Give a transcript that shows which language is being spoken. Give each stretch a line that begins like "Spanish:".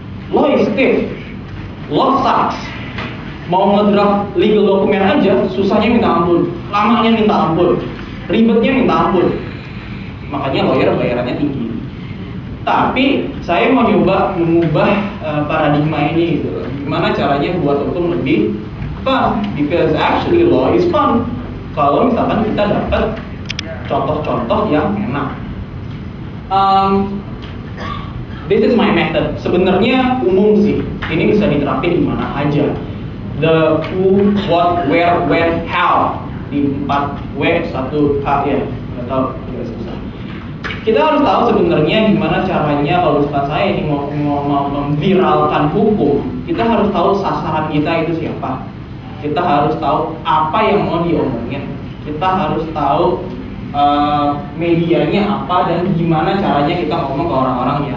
Indonesian: Lo istif, lo sucks. Mau ngedraft legal dokumen aja, susahnya minta ampun. Lamanya minta ampun, ribetnya minta ampun. Makanya lawyer bayarannya tinggi. Tapi saya mau nyoba mengubah paradigma ini gitu. Gimana caranya buat hukum lebih fun?
English: Because actually law is fun.
Indonesian: Kalau misalkan kita dapat contoh-contoh yang enak.
English: This is my method.
Indonesian: Sebenarnya umum sih. Ini bisa diterapin di mana aja.
English: The who, what, where, when, how.
Indonesian: Di 4 W 1 H ya. Enggak tahu juga susah. Kita harus tahu sebenarnya gimana caranya kalau ustaz saya ini mau memviralkan hukum. Kita harus tahu sasaran kita itu siapa. Kita harus tahu apa yang mau diomongin. Kita harus tahu medianya apa dan gimana caranya kita ngomong ke orang-orang ya.